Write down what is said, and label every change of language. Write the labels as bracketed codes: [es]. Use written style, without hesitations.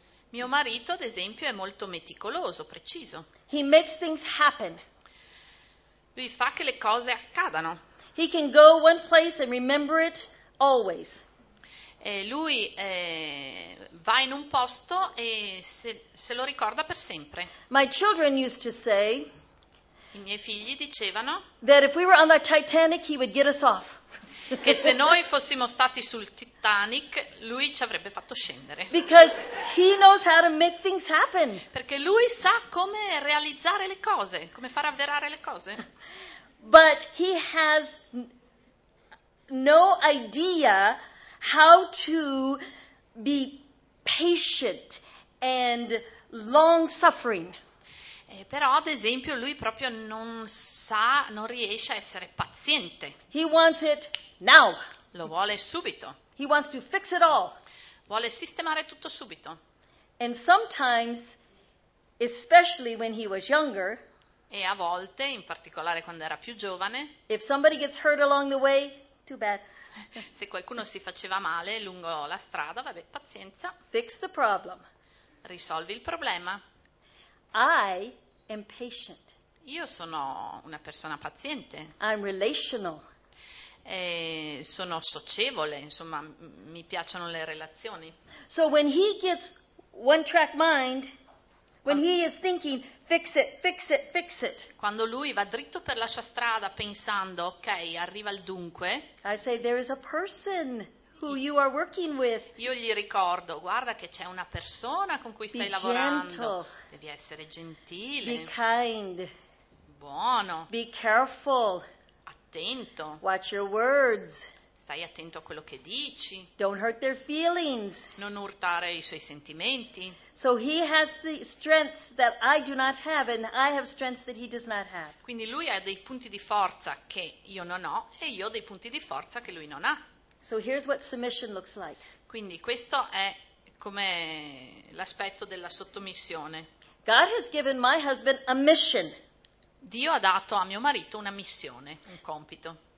[it] Mio marito, ad esempio, è molto meticoloso, preciso. [en] He makes things happen. [it] Lui fa che le cose accadano. [en] He can go one place and remember it always. [it] E lui va in un posto e se lo ricorda per sempre. [en] My children used to say, [it] i miei figli dicevano, [en] that if we were on the Titanic, he would get us off. [it] Che se noi fossimo stati sul Titanic, lui ci avrebbe fatto scendere. [en] Because he knows how to make things happen. [it] Perché lui sa come realizzare le cose, come far avverare le cose. [en] But he has no idea how to be patient and long suffering. [it] Però ad esempio lui proprio non sa, non riesce a essere paziente. [en] He wants it now. [it] Lo vuole subito. [en] He wants to fix it all. [it] Vuole sistemare tutto subito. [en] And sometimes, especially when he was younger, [it] e a volte, in particolare quando era più giovane, [en] if somebody gets hurt along the way, too bad. [it] Se qualcuno si faceva male lungo la strada, vabbè, pazienza. [en] Fix the problem. [it] Risolvi il problema. [en] I am patient. [it] Io sono una persona paziente. [en] I'm relational. [it] E sono socievole, insomma, mi piacciono le relazioni. [en] So when he gets one track mind, when he is thinking fix it, fix it, fix it. [it] Quando lui va dritto per la sua strada pensando, ok, arriva il dunque. [en] I say there is a person who you are working with. [it] Io gli ricordo, guarda che c'è una persona con cui stai lavorando. Devi essere gentile. [en] Be kind. [it] Buono. [en] Be careful. [it] Attento. [en] Watch your words. [it] Stai attento a quello che dici. [en] Don't hurt their feelings. [it] Non urtare i suoi sentimenti. [en] So he has the strengths that I do not have, and I have strengths that he does not have. [it] Quindi lui ha dei punti di forza che io non ho, e io ho dei punti di forza che lui non ha. [en] So here's what submission looks like. [it] Quindi questo è come l'aspetto della sottomissione. [en] God has given my husband a mission. [it] Dio ha dato a mio marito una missione, un compito.